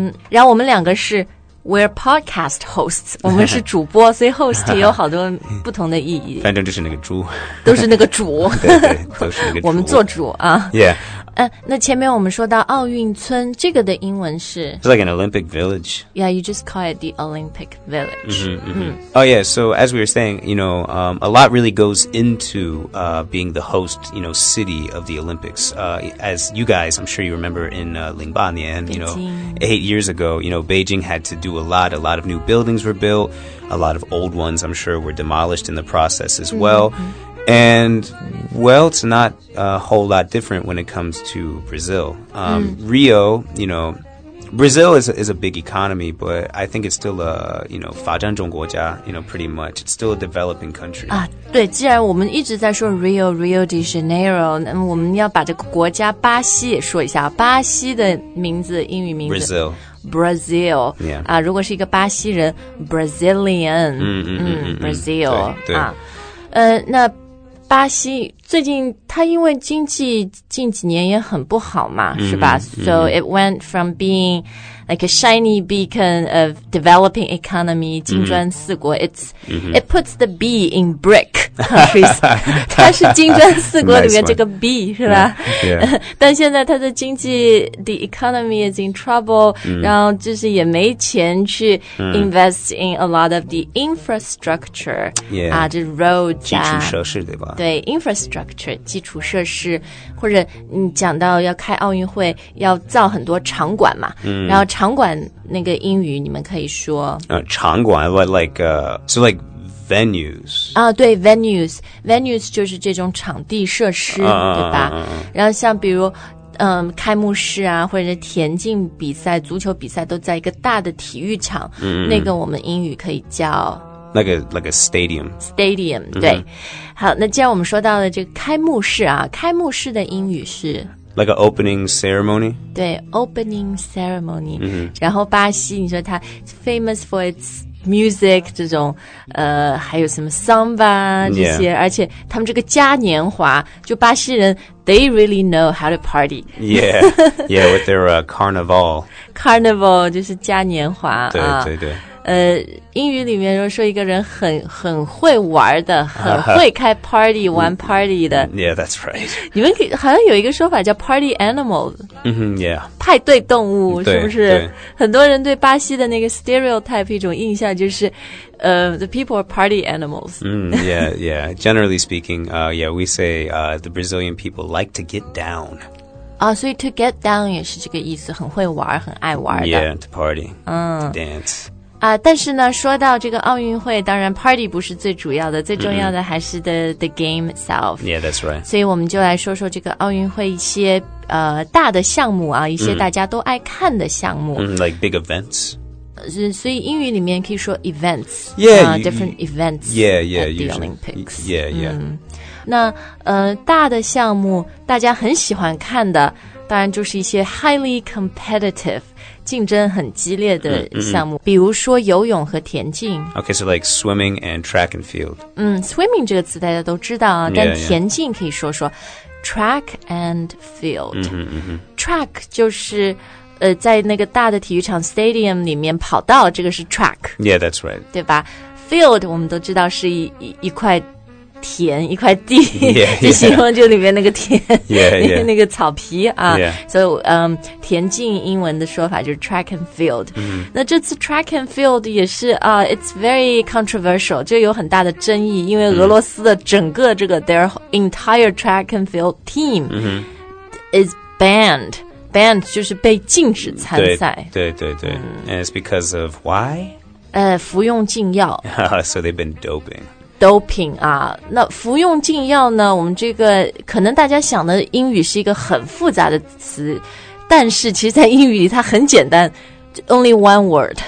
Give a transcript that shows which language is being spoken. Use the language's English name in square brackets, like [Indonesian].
[Chinese] 然后我们两个是 [English] We're podcast hosts, [Chinese] 我们是主播所以 host 也有好多不同的意义。反正就是那个猪。都是那个主。对, 对都是那个猪。我们做主啊。 [English] Yeah.、 [Chinese] 那前面我们说到奥运村这个的英文是 [English] It's like an Olympic village. Yeah, you just call it the Olympic village. Oh yeah, so as we were saying, you know,、a lot really goes into、being the host, you know, city of the Olympics.、as you guys, I'm sure you remember in、08年, you know, 8 years ago, you know, Beijing had to do a lot of new buildings were built. A lot of old ones, I'm sure, were demolished in the process as well.、And, well, it's not a whole lot different when it comes to Brazil.、Rio, you know, Brazil is a big economy, but I think it's still a, you know, [Chinese] 发展中国家, [English] you know, pretty much. It's still a developing country. [Chinese] 啊，对，既然我们一直在说 Rio, Rio de Janeiro, 那我们要把这个国家巴西也说一下。巴西的名字，英语名字。 [English] Brazil. Brazil、 yeah. [Chinese] 如果是一个巴西人 Brazilian Brazil 对对、那巴西最近它因为经济近几年也很不好嘛、是吧 [English] So it went from being like a shiny beacon of developing economy 金砖四国、It puts the B in brick countries [Chinese] 它是金砖四国里面这个 B 是吧 但现在它的经济 [English] the economy is in trouble、 [Chinese] 然后就是也没钱去 [English] invest in a lot of the infrastructure、 yeah. [Chinese] 这 road 基础设施对吧对 infrastructure infrastructure, 基础设施，或者你讲到要开奥运会，要造很多场馆嘛。 Mm. 然后场馆那个英语你们可以说。 [English] 场馆 like venues. [Chinese] 啊、对 venues. Venues 就是这种场地设施、对吧。然后像比如开幕式啊或者田径比赛足球比赛都在一个大的体育场、那个我们英语可以叫 [English] like a stadium [Chinese] stadium、对好那既然我们说到了这个开幕式啊开幕式的英语是 [English] like an opening ceremony [Chinese] 对 opening ceremony、 mm-hmm. 然后巴西你说它 [English] famous for itsmusic [Chinese] 这种还有什么 samba 这些、 [English] yeah. [Chinese] 而且他们这个嘉年华就巴西人 [English] they really know how to party yeah yeah with their carnival [Chinese] 就是嘉年华对、对对英语里面如果说一个人很会玩的很会开 party 玩 party 的 [English] yeah that's right [Chinese] 你们好像有一个说法叫 party animal、 [English] yeah [Chinese] 派对动物是不是很多人对巴西的那个 stereotype 一种印象就是 [English] the people are party animals、 yeah yeah generally speaking yeah we say the Brazilian people like to get down So to get down [Chinese] 也是这个意思很会玩很爱玩的 [English] Yeah, to party, dance [Chinese] 但是呢说到这个奥运会当然 party 不是最主要的最重要的还是 [English] the game itself Yeah, that's right [Chinese] 所以我们就来说说这个奥运会一些大的项目啊一些大家都爱看的项目、 [English] Like big events [Chinese] 所以英语里面可以说 events [English] Yeah, different events yeah, at the Olympics Yeah, yeah、 [Chinese] 那大的项目大家很喜欢看的当然就是一些 [English] highly competitive [Chinese] 竞争很激烈的项目、比如说游泳和田径 [English] Okay, so like swimming and track and field [Chinese] Swimming 这个词大家都知道啊 [English] yeah, [Chinese] 但田径可以说说 track and field Track 就是在那个大的体育场 stadium 里面跑道这个是 track [English] Yeah, that's right [Chinese] 对吧 Field 我们都知道是一块田一块地 [English] yeah, yeah. [Chinese] 就形容就里面那个田 [English] yeah, yeah. [Chinese] 那个草皮啊所以、 [English] yeah. [Chinese] so, 田径英文的说法就是 track and field、 mm-hmm. 那这次 track and field 也是、 [English] it's very controversial [Chinese] 就有很大的争议因为俄罗斯的整个这个、 [English] their entire track and field team、 mm-hmm. is banned [Chinese] 就是被禁止参赛 [English] 对、and it's because of why? [Chinese] 服用禁药 [English] so they've been doping [Chinese] Doping 啊，那服用禁药呢？我们这个可能大家想的英语是一个很复杂的词，但是其实，在英语里它很简单 ， [English] only one word。